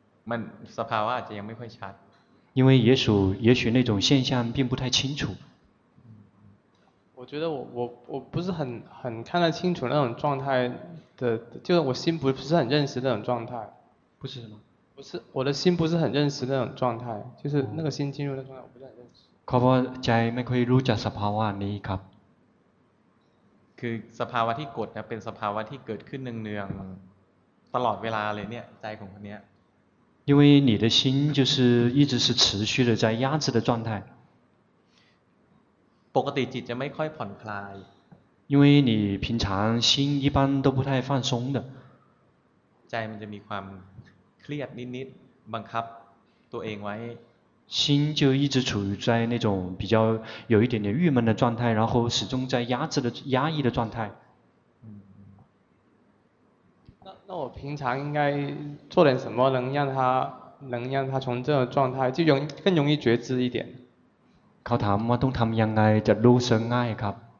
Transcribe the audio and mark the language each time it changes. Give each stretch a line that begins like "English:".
Thai: มันสภาวะอาจจะยังไม่ค่อยชัด
Chinese: 因为也许那种现象并不太清楚我觉得我不是很看得清楚那种状态的就是我心不是很认识那种状态不是什么？不是，我的心不是很认识那种状态，就是那个心进入的状态，我不是很认识。
Thai: เขาบอกใจไม่ค่อยรู้จักสภาวะนี้ครับ คือสภาวะที่กดนะเป็นสภาวะที่เกิดขึ้นเนืองๆตลอดเวลาเลยเนี่ยใจของคนเนี้ย
Chinese: 因为你的心就是一直是持续的在压制的状态
Thai: ปกติจิตจะไม่ค่อยผ่อนคลาย
Chinese: 因为你平常心一般都不太放松的
Thai: ใจมันจะมีความเครียดนิดๆบังคับตัวเองไว้
Chinese: 心就一直处于在那种比较有一点点郁闷的状态，然后始终在压制的压抑的状态。那我平常应该做点什么能让他从这种状态就更容易觉知一点？
Thai: เขาถามว่าต้องทำยังไงจะรู้สึกง่ายครับ？